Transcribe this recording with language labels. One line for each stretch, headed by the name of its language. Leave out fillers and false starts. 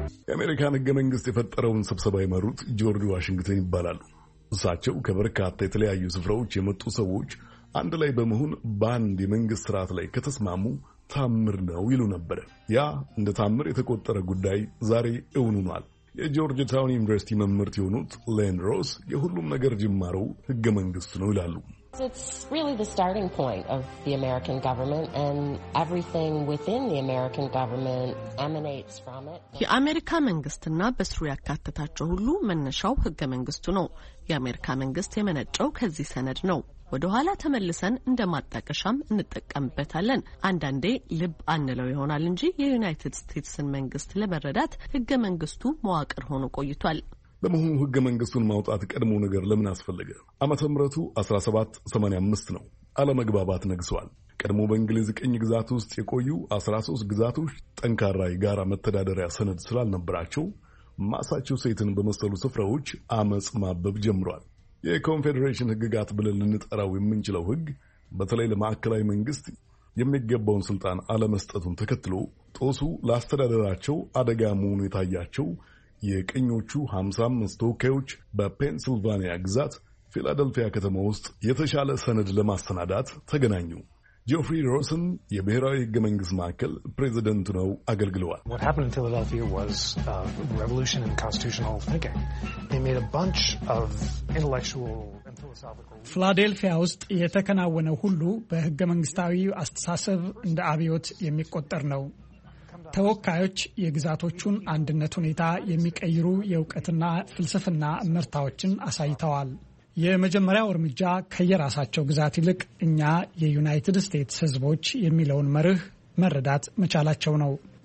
Amharic: የአሜሪካን ህገ መንግስት የፈጠረውን ስብሰባ የመሩት ጆርጅ ዋሽንግተን ይባላሉ። እሳቸው ከበርካታ የተለያዩ ስፍራዎች የመጡ ሰዎች አንድ ላይ በመሆን በአንድ የመንግስት ስርዓት ላይ ከተስማሙ ታምር ነው ይሉ ነበር። ያ እንደ ታምር የተቆጠረ ጉዳይ ዛሬ እውን ሆኗል። የጆርጅ ታውን ዩኒቨርሲቲ መምህር የሆኑት ሌን ሮስ የሁሉም ነገር ጅማሮ ህገ መንግስት ነው ይላሉ።
English: It's really the starting point of the American government, and everything within the American government emanates from it.
Amharic: የአሜሪካ መንግስትና በስሩ ያካተታቸው ሁሉ መነሻው ህገ መንግስቱ ነው። የአሜሪካ መንግስት የመነጨው ከዚህ ሰነድ ነው። ወደ ኋላ ተመልሰን እንደማጣቀሻም እንጠቀምበታለን። አንዳንዴ ልብ አንለው ይሆናል እንጂ የዩናይትድ ስቴትስን መንግስት ለመረዳት ህገ መንግስቱ መዋቅር ሆኖ ቆይቷል። ለመሆኑ ህገ መንግስቱን ማውጣት ቀድሞ ነገር ለምን አስፈለገ? ዓመተ ምህረቱ 1785 ነው። አለመግባባት ነግሷል። ቀድሞ በእንግሊዝ ቅኝ ግዛት ውስጥ የቆዩ 13 ግዛቶች ጠንካራ የጋራ መተዳደሪያ ሰነድ ስላልነበራቸው ማሳቹሴትስን በመሰሉ ስፍራዎች አመጽ ማበብ ጀምሯል። የኮንፌዴሬሽን ህግጋት ብለን ልንጠራው የምንችለው ህግ በተለይ ለማዕከላዊ መንግስት የሚገባውን ስልጣን አለመስጠቱን ተከትሎ ጦሱ ለአስተዳደራቸው አደጋ መሆኑ የታያቸው የቅኞቹ 55 ተወካዮች በፔንስልቫኒያ ግዛት ፊላደልፊያ ከተማ ውስጥ የተሻለ ሰነድ ለማስተናዳት ተገናኙ። ጆፍሪ ሮስን የብሔራዊ ህገ መንግስት ማዕከል ፕሬዚደንት ነው አገልግለዋል።
English: What happened in Philadelphia was a revolution in constitutional thinking. They made a bunch of intellectual and philosophical.
Amharic: ፊላዴልፊያ ውስጥ የተከናወነው ሁሉ በህገ መንግስታዊ አስተሳሰብ እንደ አብዮት የሚቆጠር ነው። ተወካዮች የግዛቶቹን አንድነት ሁኔታ የሚቀይሩ የውቀትና ፍልስፍና ምርታዎችን አሳይተዋል። የመጀመሪያው እርምጃ ከየራሳቸው ግዛት ይልቅ እኛ የዩናይትድ ስቴትስ ህዝቦች የሚለውን መርህ መረዳት መቻላቸው ነው።